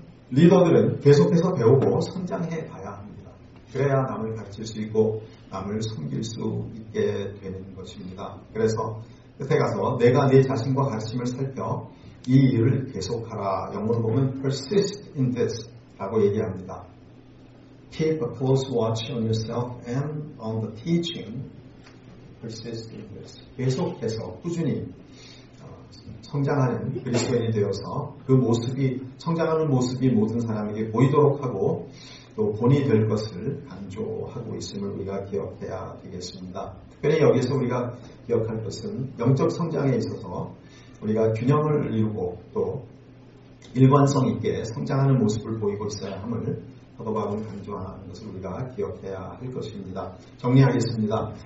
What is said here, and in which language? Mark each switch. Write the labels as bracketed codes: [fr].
[ko] 리더들은 계속해서 배우고 성장해 가야 합니다. 그래야 남을 가르칠 수 있고 남을 섬길 수 있게 되는 것입니다. 그래서 끝에 가서 내가 내 자신과 가르침을 살펴 이 일을 계속하라. 영어로 보면 [en] persist in this [ko] 라고 얘기합니다. [en] Keep a close watch on yourself and on the teaching. Persist in this. [ko] 계속해서 꾸준히 성장하는 그리스도인이 되어서 그 모습이 성장하는 모습이 모든 사람에게 보이도록 하고 또 본이 될 것을 강조하고 있음을 우리가 기억해야 되겠습니다. 특별히 여기서 우리가 기억할 것은 영적 성장에 있어서 우리가 균형을 이루고 또 일관성 있게 성장하는 모습을 보이고 있어야 함을 사도바울은 강조하는 것을 우리가 기억해야 할 것입니다. 정리하겠습니다.